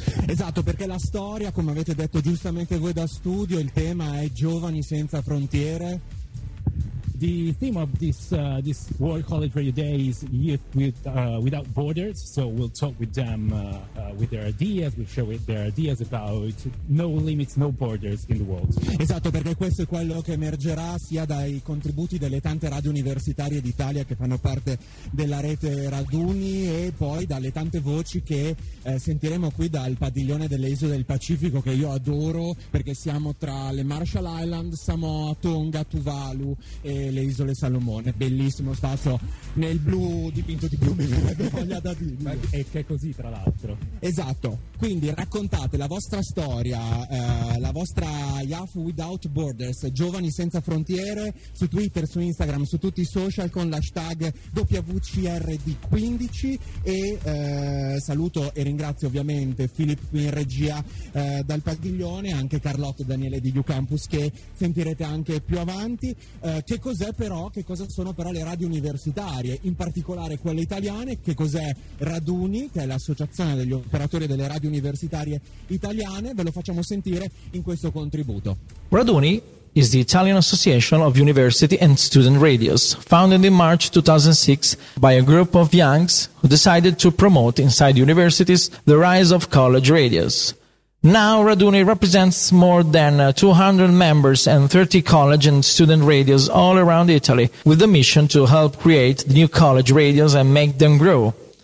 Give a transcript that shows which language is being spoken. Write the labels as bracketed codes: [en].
[it] Esatto, perché la storia, come avete detto giustamente voi da studio, il tema è Giovani Senza Frontiere. [en] The theme of this World College Radio Day is Youth Without Borders, so we'll talk with them with their ideas, we'll share with their ideas about no limits, no borders in the world. [it] Esatto, perché questo è quello che emergerà sia dai contributi delle tante radio universitarie d'Italia che fanno parte della rete Raduni e poi dalle tante voci che sentiremo qui dal padiglione delle isole del Pacifico, che io adoro perché siamo tra le Marshall Islands, Samoa, Tonga, Tuvalu e le Isole Salomone, bellissimo spazio nel blu dipinto di blu, mi verrebbe voglia da dirlo. E che è così, tra l'altro. Esatto, quindi raccontate la vostra storia, la vostra [en] Yahoo Without Borders, [it] Giovani Senza Frontiere, su Twitter, su Instagram, su tutti i social con l'hashtag WCRD15. E saluto e ringrazio ovviamente Filippo qui in regia dal padiglione, anche Carlotta e Daniele di UCampus, che sentirete anche più avanti. Che cos'è però, che cosa sono però le radio universitarie, in particolare quelle italiane? Che cos'è Raduni, che è l'associazione degli operatori delle radio universitarie italiane? Ve lo facciamo sentire in questo contributo. [en] Raduni is the Italian Association of University and Student Radios, founded in March 2006 by a group of youngs who decided to promote inside universities the rise of college radios. Now Raduni represents more than 200 members and 30 college and student radios all around Italy, with the mission to help create the new college radios and make them grow.